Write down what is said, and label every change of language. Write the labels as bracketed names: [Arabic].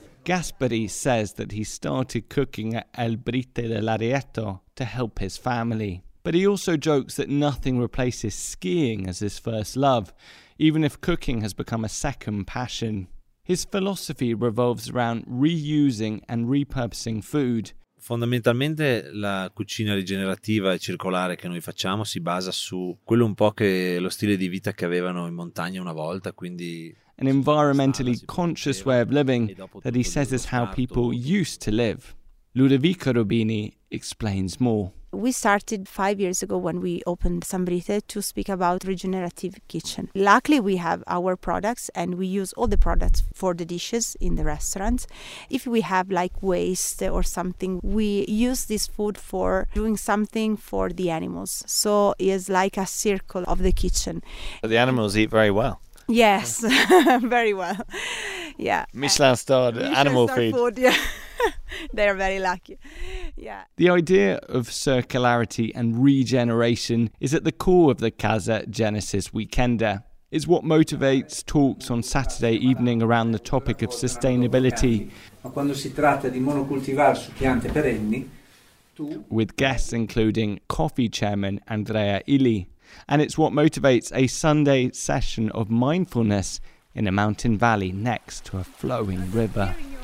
[English] Gasperi says that he started cooking at El Brite dell'Arieto to help his family. But he also jokes that nothing replaces skiing as his first love, even if cooking has become a second passion. His philosophy revolves around reusing and repurposing food. [Italian] Fondamentalmente la cucina rigenerativa e circolare che noi facciamo si basa su quello un po' che lo stile di vita che avevano in montagna una volta, quindi [English] an environmentally conscious way of living that he says is how people used to live. Ludovico Rubini explains more. We started 5 years ago when we opened Sambrite to speak about regenerative kitchen. Luckily, we have our products and we use all the products for the dishes in the restaurants. If we have like waste or something, we use this food for doing something for the animals. So it's like a circle of the kitchen. But the animals eat very well. Yes, very well. Yeah. Michelin-starred animal food. Food, yeah. They are very lucky. Yeah. The idea of circularity and regeneration is at the core of the Casa Genesis Weekender. It's what motivates talks on Saturday evening around the topic of sustainability. [Italian] Ma quando si tratta di monocoltivare su piante perenni, tu. [English] With guests including coffee chairman Andrea Illy. And it's what motivates a Sunday session of mindfulness in a mountain valley next to a flowing river.